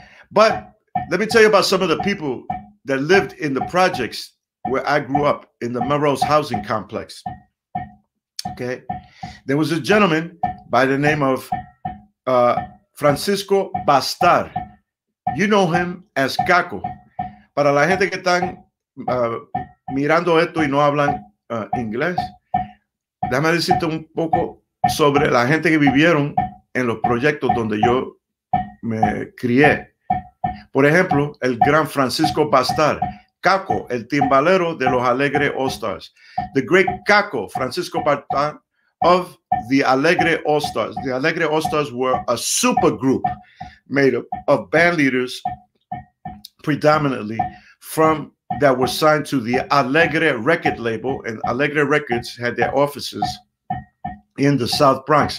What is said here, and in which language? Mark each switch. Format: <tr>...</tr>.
<en>But let me tell you about some of the people that lived in the projects where I grew up in the Melrose housing complex, okay? There was a gentleman by the name of Francisco Bastar. You know him as Caco.</en> <es>Para la gente que están mirando esto y no hablan inglés, déjame decirte un poco sobre la gente que vivieron en los proyectos donde yo me crié. Por ejemplo, el gran Francisco Bastar, Caco, el timbalero de los Alegre All-Stars.</es> <en>The great Caco, Francisco Bastar, of the Alegre All-Stars. The Alegre All-Stars were a super group made up of band leaders predominantly from that were signed to the Alegre record label, and Alegre Records had their offices in the South Bronx.</en>